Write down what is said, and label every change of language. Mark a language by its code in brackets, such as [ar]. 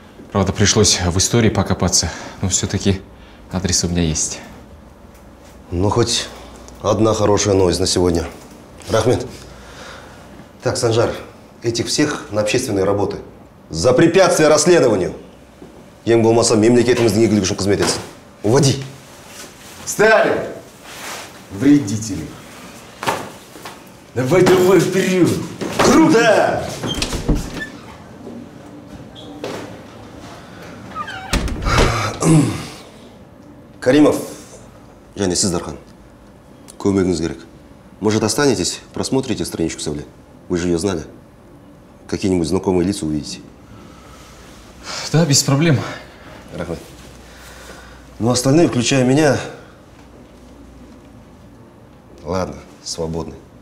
[ru] Правда, пришлось в истории покопаться. Но все-таки адрес у меня есть. Ну, хоть одна хорошая новость на сегодня. [kk] Рахмет. [ru] Так, Санжар, этих всех на общественные работы. За препятствие расследованию. [kk] Ең болмаса, мемлекетіміздің егілігі үшін қызмет етсін. [ru] Уводи. Сталин! Вредители. Давай, давай, вперед! Круто! [kk] Каримов, Жанни Сыздархан, көмегіңіз керек. [ru] Может, останетесь, просмотрите страничку Савле? Вы же ее знали. Какие-нибудь знакомые лица увидите. Да, без проблем. [kk] Рахмет. [ru] Ну, остальные, включая меня... Ладно, свободны.